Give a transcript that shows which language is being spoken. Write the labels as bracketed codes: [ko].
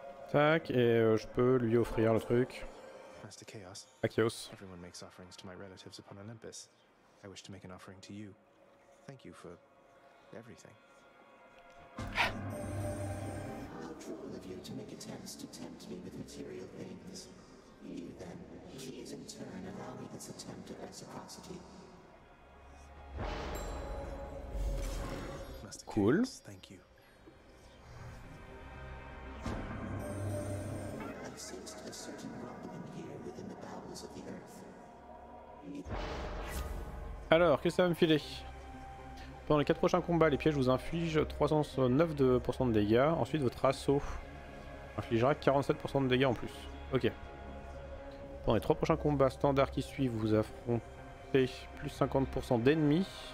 [fr] Tac, et je peux lui offrir le truc. [en] Master Chaos. Akios. Everyone makes offerings to my relatives upon Olympus. I wish to make an offering to you. Thank you for everything. How cruel of you to make attempts to tempt me with material things. You then, please in turn, allow me this attempt at reciprocity. Cool. Thank you. I sensed a certain rumbling here within the bowels of the earth. [fr] Alors, qu'est-ce que ça va me filer? Pendant les 4 prochains combats, les pièges vous infligent 309% de dégâts. Ensuite, votre assaut infligera 47% de dégâts en plus. Ok. Pendant les 3 prochains combats standards qui suivent, vous affrontez plus 50% d'ennemis.